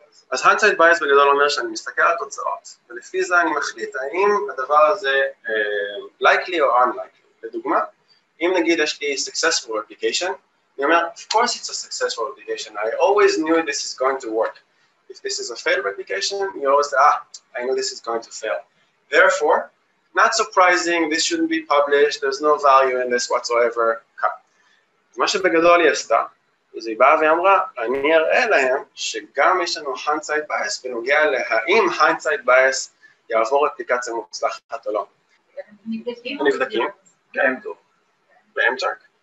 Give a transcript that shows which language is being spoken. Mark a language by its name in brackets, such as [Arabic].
[Hebrew] אז hindsight bias בגדול אומר שאני מסתכל על התוצאות, ולפי זה אני מחליט האם הדבר הזה likely או unlikely. לדוגמה, אם נגיד יש לי [English] successful replication, [Hebrew] אני אומר, [English] of course it's a successful replication, I always knew this is going to work. If this is a failed replication, you always say, I know this is going to fail. Therefore, not surprising, this shouldn't be published, there's no value in this whatsoever. [Hebrew] מה שבגדול היא עשתה, וזה היא באה ואמרה, אני אראה להם שגם יש לנו hindsight bias בנוגע להאם hindsight bias יעבור אפליקציה מוצלחת או לא. נבדקים. נבדקים. באמצ'ק.